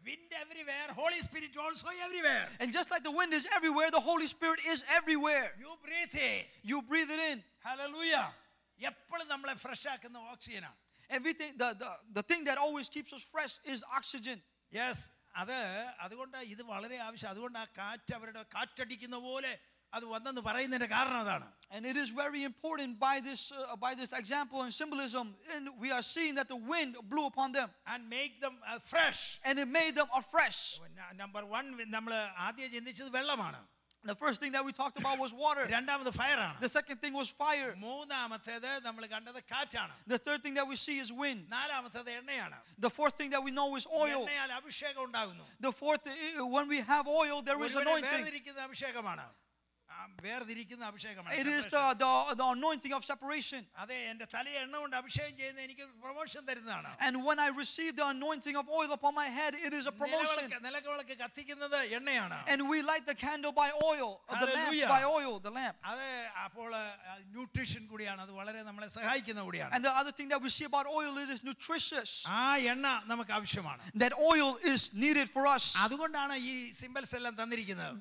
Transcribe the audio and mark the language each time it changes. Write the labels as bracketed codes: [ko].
[en] Wind everywhere, Holy Spirit also everywhere. And just like the wind is everywhere, the Holy Spirit is everywhere. You breathe it. You breathe it in. [ml] Hallelujah. Eppol nammale fresh aakkunna oxygen. [en] And we think the thing that always keeps us fresh is oxygen. [ml] Yes. അതുകൊണ്ടാ ഇത് വളരെ ആവശ്യം. അതുകൊണ്ട് ആ കാറ്റ് അവരുടെ കാറ്റടിക്കുന്ന പോലെ അത് വന്നെന്ന് പറയുന്നതിന്റെ കാരണം അതാണ്. [en] And it is very important by this example and symbolism, and we are seeing that the wind blew upon them and made them fresh. And it made them afresh. [ml] Number 1 നമ്മൾ ആദ്യം ചിന്തിച്ചത് വെള്ളമാണ്. [en] The first thing that we talked about was water. [ml] രണ്ടാമത്തെ fire ആണ്. [en] The second thing was fire. [ml] മൂന്നാമത്തേത് നമ്മൾ കണ്ടത് കാറ്റാണ്. [en] The third thing that we see is wind. [ml] നാലാമത്തേത് എണ്ണയാണ്. [en] The fourth thing that we know is oil. [ml] എണ്ണയാൽ അഭിഷേകം ഉണ്ടാകുന്നു. [en] The fourth, when we have oil, there is anointing. [ml] വേർതിരിക്കുന്ന അഭിഷേകമാണ്. വേർതിരിക്കുന്ന അഭിഷേകമാണ്. [en] It is the anointing of separation. [ml] അതെ, എന്റെ തലയിൽ എണ്ണ കൊണ്ട് അഭിഷേകം ചെയ്യുന്ന എനിക്ക് പ്രൊമോഷൻ തരുന്നതാണ്. [en] And when I receive the anointing of oil upon my head, it is a promotion. [ml] നിലവിളക്ക് കത്തിക്കുന്നത് എണ്ണയാണ്. [en] And we light the candle by oil, the lamp by oil, the lamp. [ml] അതെ, അപ്പോൾ ന്യൂട്രീഷൻ കൂടിയാണ്. അത് വളരെ നമ്മളെ സഹായിക്കുന്ന കൂടിയാണ്. [en] And the other thing that we see about oil is it's nutritious. [ml] ആ എണ്ണ നമുക്ക് ആവശ്യമാണ്. [en] That oil is needed for us. [ml] അതുകൊണ്ടാണ് ഈ സിംബൽസ് എല്ലാം തന്നിരിക്കുന്നത്.